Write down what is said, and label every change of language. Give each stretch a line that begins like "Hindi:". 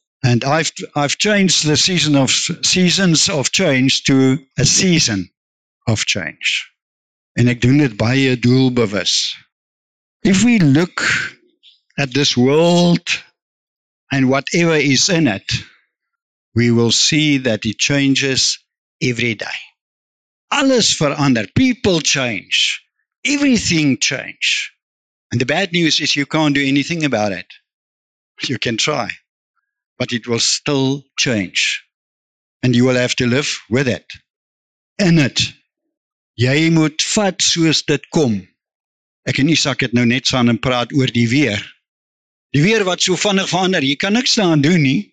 English: And I've changed the seasons of change to a season of change.
Afrikaans: En ek doen dit baie doelbewus.
English: If we look at this world and whatever is in it, we will see that it changes every day.
Afrikaans: Alles verander,
English: people change. Everything change. And the bad news is you can't do anything about it. You can try, but it will still change. And you will have to live with it. In it.
Afrikaans: Jy moet vat soos dit kom. Ek en Isak het nou net saam en praat oor die weer. Die weer wat so vinnig verander, jy kan niks daaraan doen nie.